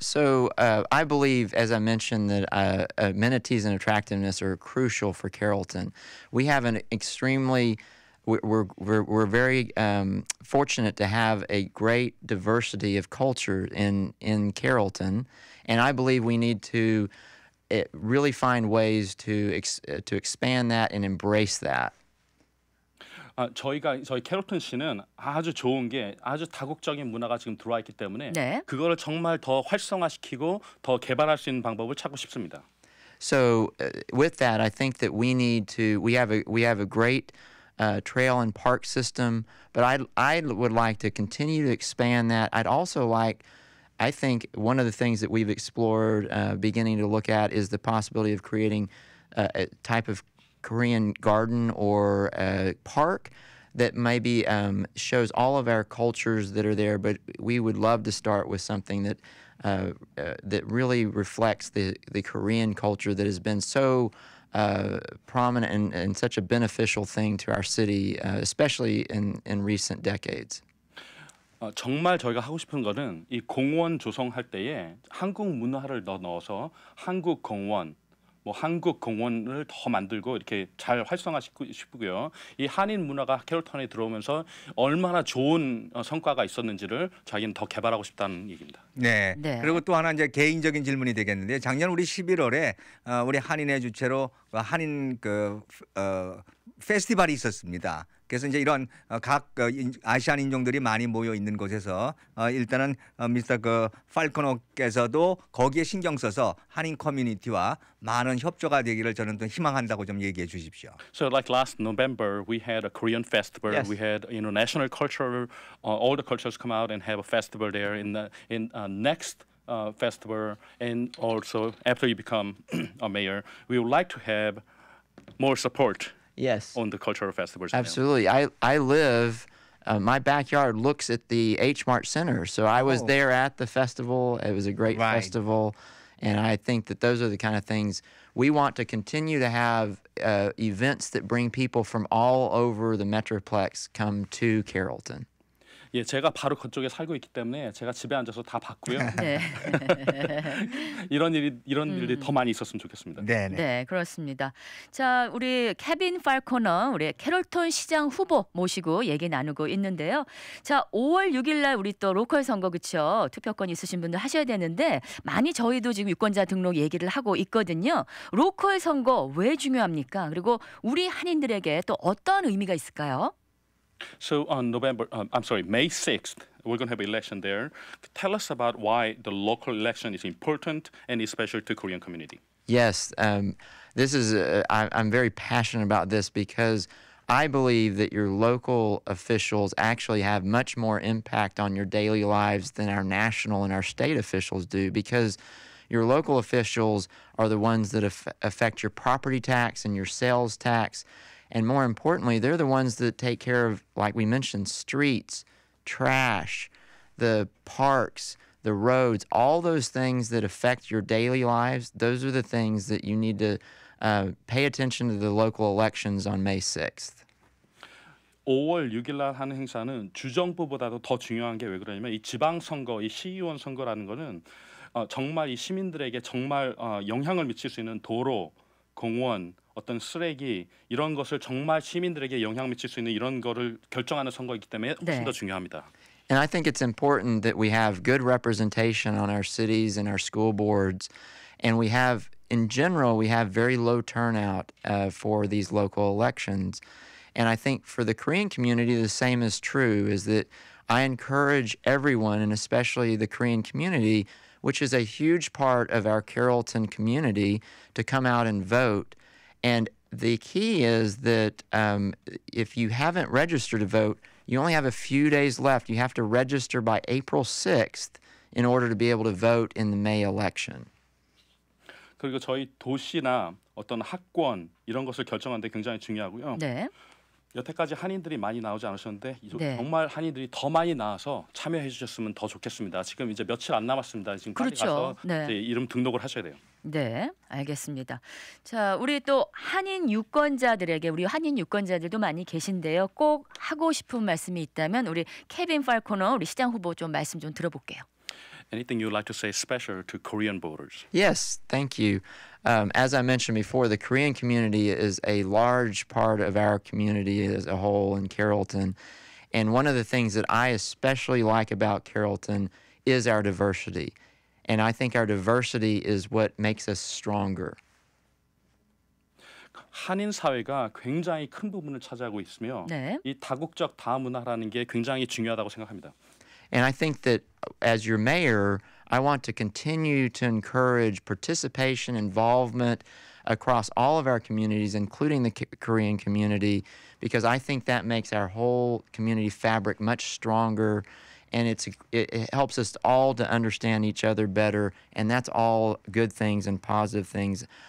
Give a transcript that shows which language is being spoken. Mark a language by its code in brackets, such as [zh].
[en] So I believe, as I mentioned, that amenities and attractiveness are crucial for Carrollton. We have an extremely we're very fortunate to have a great diversity of culture in Carrollton, and I believe we need to really find ways to expand that and embrace that. [ko] 아, 저희 캐롤튼 씨는 아주 좋은 게 아주 다국적인 문화가 지금 들어와 있기 때문에 네. 그거를 정말 더 활성화시키고 더 개발할 수 있는 방법을 찾고 싶습니다. [en] So with that, I think that we need to we have a great trail and park system, but I would like to continue to expand that. I'd also like I think one of the things that we've explored beginning to look at is the possibility of creating a type of Korean garden or a park that maybe shows all of our cultures that are there, but we would love to start with something that that really reflects the Korean culture that has been so prominent and such a beneficial thing to our city, especially in recent decades. [ko] 정말 저희가 하고 싶은 거는 이 공원 조성할 때에 한국 문화를 넣어서 한국 공원 뭐 한국 공원을 더 만들고 이렇게 잘 활성화시키고 싶고요. 이 한인 문화가 캐롤턴에 들어오면서 얼마나 좋은 성과가 있었는지를 자기는 더 개발하고 싶다는 얘기입니다. 네. 네. 그리고 또 하나 이제 개인적인 질문이 되겠는데 작년 우리 11월에 우리 한인의 주체로 한인 그 페스티벌이 있었습니다. 그래서 이제 이런 각 아시안 인종들이 많이 모여 있는 곳에서 일단은 미스터 그 팔코너께서도 거기에 신경 써서 한인 커뮤니티와 많은 협조가 되기를 저는 또 희망한다고 좀 얘기해 주십시오. [en] So like last November, we had a Korean festival. Yes. We had international culture, all the cultures come out and have a festival there in the next festival. And also after you become a mayor, we would like to have more support. Yes. On the cultural festivals. Absolutely. I live, my backyart looks at the H Mart Center. So I was there at the festival. It was a great festival. And I think that those are the kind of things we want to continue to have events that bring people from all over the Metroplex come to Carrollton. [ko] 예, 제가 바로 그쪽에 살고 있기 때문에 제가 집에 앉아서 다 봤고요. 네. 이런 일들이 더 많이 있었으면 좋겠습니다. 네, 네. 네, 그렇습니다. 자, 우리 케빈 팔코너, 우리 캐롤턴 시장 후보 모시고 얘기 나누고 있는데요. 자, 5월 6일 날 우리 또 로컬 선거 그쵸? 투표권 있으신 분들 하셔야 되는데 많이 저희도 지금 유권자 등록 얘기를 하고 있거든요. 로컬 선거 왜 중요합니까? 그리고 우리 한인들에게 또 어떤 의미가 있을까요? [en] So on November, I'm sorry, May 6th, we're going to have an election there. Tell us about why the local election is important and especially to Korean community. Yes, this is, I'm very passionate about this because I believe that your local officials actually have much more impact on your daily lives than our national and our state officials do because your local officials are the ones that affect your property tax and your sales tax. And more importantly, they're the ones that take care of, like we mentioned, streets, trash, the parks, the roads, all those things that affect your daily lives. Those are the things that you need to pay attention to the local elections on May 6th. [ko] 5월 6일 날 하는 행사는 주정부보다도 더 중요한 게 왜 그러냐면 이 지방선거, 이 시의원 선거라는 거는 정말 이 시민들에게 정말 영향을 미칠 수 있는 도로, 공원, 어떤 쓰레기 이런 것을 정말 시민들에게 영향 미칠 수 있는 이런 거를 결정하는 선거이기 때문에 훨씬 네. 더 중요합니다. [en] And I think it's important that we have good representation on our cities and our school boards, and we have, in general, we have very low turnout for these local elections. And I think for the Korean community, the same is true: is that I encourage everyone, and especially the Korean community, which is a huge part of our Carrollton community, to come out and vote. And the key is that if you haven't registered to vote, you only have a few days left. You have to register by April 6th in order to be able to vote in the May election. [ko] 그리고 저희 도시나 어떤 학권 이런 것을 결정하는 데 굉장히 중요하고요. 네. 여태까지 한인들이 많이 나오지 않으셨는데 네. 정말 한인들이 더 많이 나와서 참여해 주셨으면 더 좋겠습니다. 지금 이제 며칠 안 남았습니다. 지금 그렇죠. 빨리 가서 네. 이제 이름 등록을 하셔야 돼요. 네, 알겠습니다. 자, 우리 또 한인 유권자들에게 우리 한인 유권자들도 많이 계신데요. 꼭 하고 싶은 말씀이 있다면 우리 케빈 팔코너 우리 시장 후보 좀 말씀 좀 들어볼게요. [en] Anything you'd like to say special to Korean voters? Yes, thank you. As I mentioned before, the Korean community is a large part of our community as a whole in Carrollton. And one of the things that I especially like about Carrollton is our diversity. And I think our diversity is what makes us stronger. [ko] 한인 사회가 굉장히 큰 부분을 차지하고 있으며 네. 이 다국적 다문화라는 게 굉장히 중요하다고 생각합니다. [en] And I think that as your mayor, I want to continue to encourage participation, involvement across all of our communities, including the Korean community, because I think that makes our whole community fabric much stronger, and it helps us all to understand each other better, and that's all good things and positive things.